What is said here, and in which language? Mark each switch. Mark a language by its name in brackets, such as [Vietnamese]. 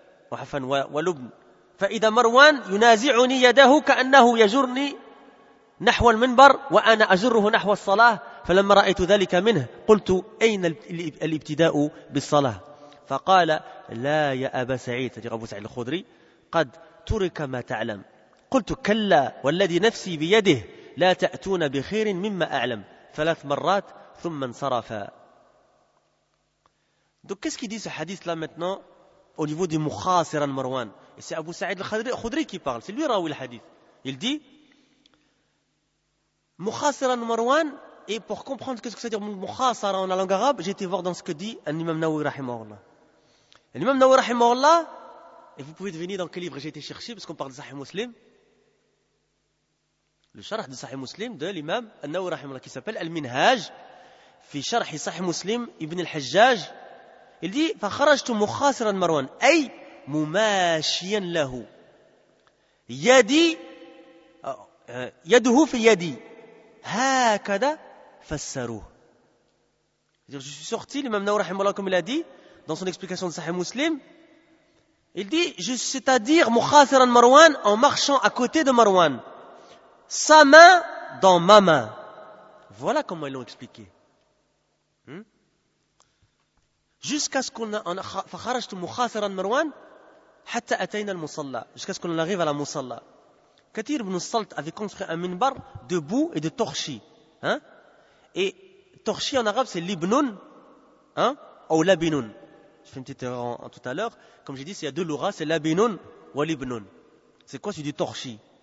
[Arabic] وحفن ولبن فإذا مروان ينازعني يده كأنه يجرني نحو المنبر وأنا أجره نحو الصلاة فلما رأيت ذلك منه قلت أين الابتداء بالصلاة فقال لا يا أبا سعيد يعني أبو سعيد الخدري قد ترك ما تعلم قلت كلا والذي نفسي بيده لا تأتون بخير مما أعلم ثلاث مرات ثم انصرفا. [French] Donc qu'est-ce qu'il dit ce hadith-là maintenant au niveau du Mukhasir al-Marwan? Et c'est Abu Sa'id al-Khudri qui parle, c'est lui Rawi al-Hadith. Il dit, Mukhasir al-Marwan, et pour comprendre ce que ça veut dire Mukhasir en la langue arabe, j'ai été voir dans ce que dit l'imam Nawawi rahimahullah. L'imam Nawawi rahimahullah, et vous pouvez deviner dans quel livre j'ai été chercher, parce qu'on parle de Sahih Muslim, le sharh de Sahih Muslim de l'imam Nawawi rahimahullah qui s'appelle Al-Minhaj, fi sharh Sahih Muslim Ibn al-Hajjaj. Il dit, [Arabic] فخرجت مخاسرا مروان أي مماشيا له يدي يده في يدي هكذا فسروه. [French] Je suis sorti, l'imam Nawawi rahimahullah, comme il a dit dans son explication de Sahih Muslim, il dit, c'est-à-dire [Arabic] مخاسرا مروان [French] en marchant à côté de مروان, sa main dans ma main. Voilà comment ils l'ont expliqué. Jusqu'à ce qu'on [Arabic] فخرجت مخاسرا مروان حتى أتينا المصلى. [French] Jusqu'à ce qu'on arrive à la musalla. Kathir ibn Salt avait construit un minbar de boue et de torchis. Et torchis en arabe c'est libnun, ou labinun. Je fais une petite erreur tout à l'heure. Comme j'ai dit, il y a deux lugas, c'est labinun ou libnun. C'est quoi? C'est du torchis.